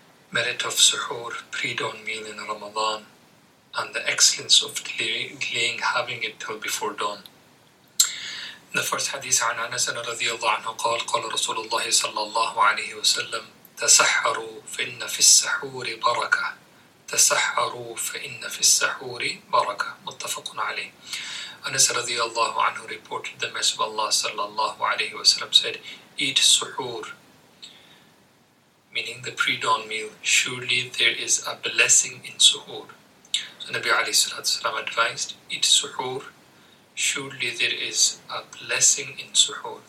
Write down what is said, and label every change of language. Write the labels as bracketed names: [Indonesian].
[English] Merit of suhoor, pre-dawn meal in Ramadan, and the excellence of delaying having it till before dawn. In the first hadith, [Arabic] عن أنس رضي الله عنه قال قال رسول الله صلى الله عليه وسلم تسحروا فإن في السحور بركة تسحروا فإن في السحور بركة متفق عليه. [English] Anas radiallahu anhu reported the message of Allah sallallahu alayhi wa sallam said, eat suhoor, meaning the pre-dawn meal. Surely there is a blessing in suhoor. So Nabi alayhi salatu wasalam advised, eat suhoor, surely there is a blessing in suhoor.